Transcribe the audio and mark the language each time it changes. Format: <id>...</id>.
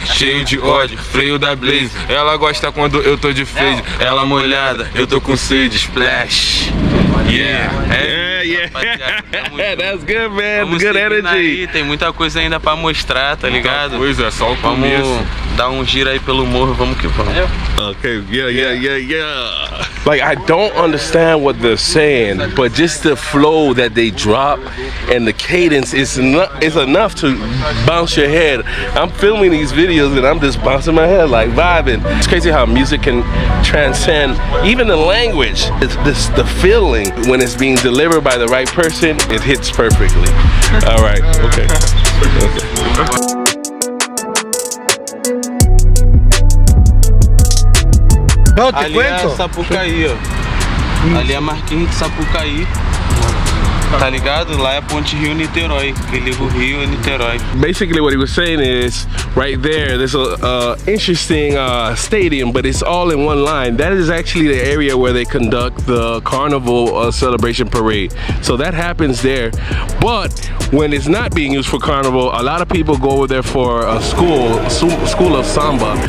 <pt>Cheio de ódio, freio da blaze. Ela gosta quando eu tô de fade. Ela molhada, eu tô com sede, splash. Yeah,</pt> <en>that's good, man.</en> <pt>Vamos</pt> <en>good energy.</en> <pt>Aí. Tem muita coisa ainda pra mostrar, tá ligado? Pois é, só o começo. Vamos dar um giro aí pelo morro, vamos que vamos.</pt> <en>Okay, yeah. Like, I don't understand what they're saying, but just the flow that they drop and the cadence is enough to bounce your head. I'm filming these videos and I'm just bouncing my head, like vibing. It's crazy how music can transcend even the language. It's this, the feeling when it's being delivered by the right person, it hits perfectly. All right, okay.</en> <pt>Não, ali é Sapucaí, ó. Ali é Marquinhos de Sapucaí. tá ligado? Lá é a ponte Rio Niterói, que liga o Rio e Niterói.</pt> <en>Basically what he was saying is, right there, there's a interesting stadium, but it's all in one line. That is actually the area where they conduct the carnival celebration parade. So that happens there. But when it's not being used for carnival, a lot of people go over there for a school of samba.</en>